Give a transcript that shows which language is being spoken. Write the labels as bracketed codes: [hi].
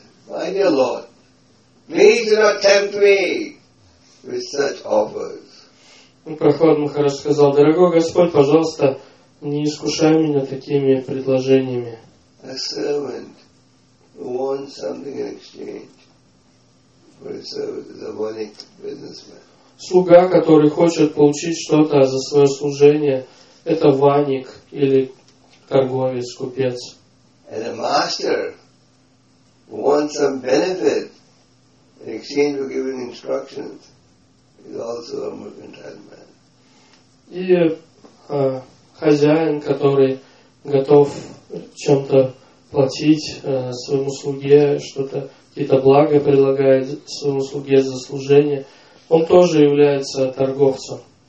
[en] My dear Lord, please do not tempt me with such offers. [ru] Прохлад Махарадж сказал, дорогой Господь, пожалуйста, не искушай меня такими предложениями. [en] A servant who wants something in exchange for his service is a money businessman. [ru] Слуга, который хочет получить что-то за свое служение, это ваник или торговец, купец. [en] And a master who wants some benefit in exchange for giving instructions is also a mercantile man. [ru] И хозяин, который готов чем-то платить своему слуге, что-то, какие-то блага предлагает своему слуге за служение, он тоже является торговцем.